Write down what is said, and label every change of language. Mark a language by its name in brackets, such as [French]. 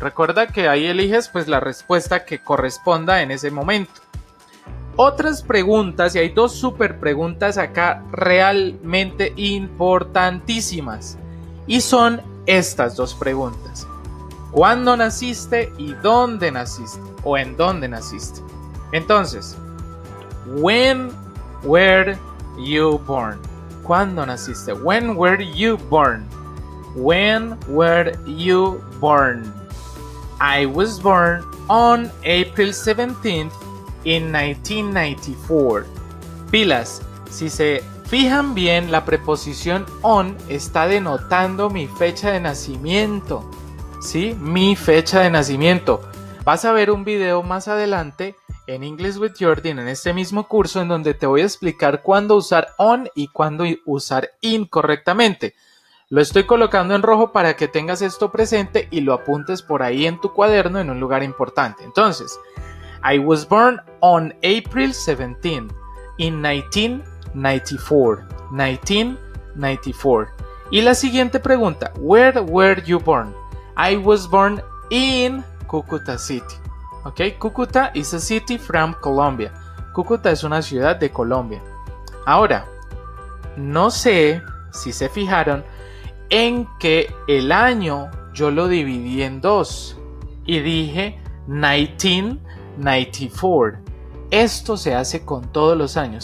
[Spanish] Recuerda que ahí eliges pues la respuesta que corresponda en ese momento. Otras preguntas, y hay dos super preguntas acá realmente importantísimas. Y son estas dos preguntas. ¿Cuándo naciste y dónde naciste? O ¿en dónde naciste? [English] Entonces, when were you born? [Spanish] ¿Cuándo naciste? [English] When were you born? When were you born? I was born on April 17th in 1994. [Spanish] Pilas, si se fijan bien, la preposición on está denotando mi fecha de nacimiento. ¿Sí? Mi fecha de nacimiento. Vas a ver un video más adelante en English with Jordan, en este mismo curso, en donde te voy a explicar cuándo usar on y cuándo usar in correctamente. Lo estoy colocando en rojo para que tengas esto presente y lo apuntes por ahí en tu cuaderno en un lugar importante. [English] Entonces, I was born on April 17, in 1994. [Spanish] Y la siguiente pregunta, [English] where were you born? I was born in Cúcuta City. Ok, Cúcuta is a city from Colombia. [Spanish] Cúcuta es una ciudad de Colombia. Ahora, no sé si se fijaron en que el año yo lo dividí en dos y dije 1994. Esto se hace con todos los años.